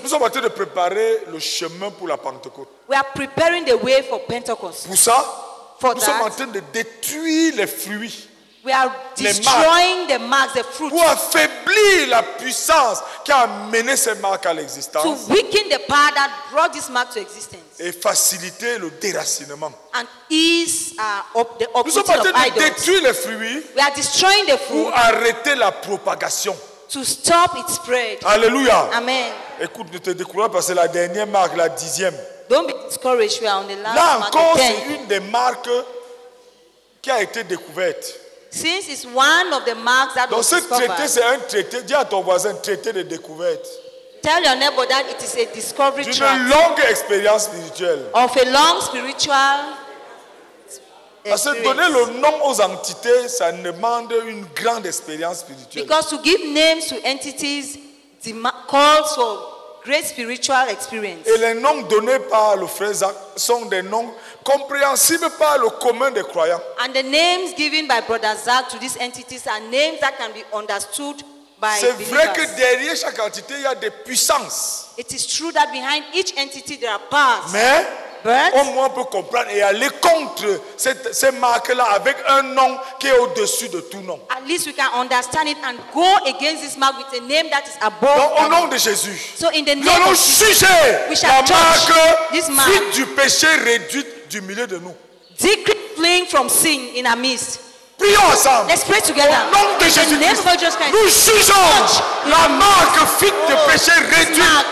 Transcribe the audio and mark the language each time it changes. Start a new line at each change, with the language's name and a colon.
French: Nous sommes en train de préparer le chemin pour la Pentecôte.
English: We are preparing the way for Pentecost.
French: Pour ça,
English: for
French: nous
English: that,
French: sommes en train de détruire les fruits.
English: We are destroying the marks, the fruits.
French: Pour affaiblir la puissance qui a amené ces marques à l'existence.
English: To weaken the power that brought this mark to existence.
French: Et faciliter le déracinement.
English: And ease the uprooting of idols.
French: Nous sommes en train de détruire les fruits.
English: We are destroying the fruit.
French: Pour arrêter la propagation.
English: to stop its spread.
French: Alléluia.
English: Amen.
French: Écoute, ne te découvre pas, c'est la dernière marque, la dixième.
English: Don't be discouraged, we are on the last
French: là encore,
English: mark,
French: c'est une des marques qui a été découverte.
English: Since it's one of the marks that
French: donc
English: was
French: ce
English: discovered.
French: Traité, c'est un traité, dis à ton voisin, traité de découverte.
English: Tell your neighbor that it is a discovery
French: d'une track longue expérience spirituelle.
English: Of a long spiritual
French: parce que donner le nom aux entités, ça demande une grande expérience spirituelle.
English: Because to give names to entities calls for great spiritual experience.
French: Et les noms donnés par le frère Zach sont des noms compréhensibles par le commun des croyants.
English: And the names given by Brother Zach to these entities are names that can be understood by
French: c'est
English: believers.
French: Vrai que derrière chaque entité, il y a des puissances.
English: It is true that behind each entity there are powers.
French: Mais
English: but,
French: au moins on peut comprendre et aller contre ces marques-là avec un nom qui est au-dessus de tout nom.
English: At least we can understand it and go against this mark with a name that is above.
French: Donc, au nom de Jésus.
English: So in the name of Jesus, we shall
French: la marque
English: this mark.
French: Fuite du péché réduite du milieu de nous.
English: Decrease fleeing from sin in our midst.
French: Prions ensemble.
English: Let's pray together.
French: Au nom de Jésus-Christ. Nous jugeons la marque fuite du péché réduite.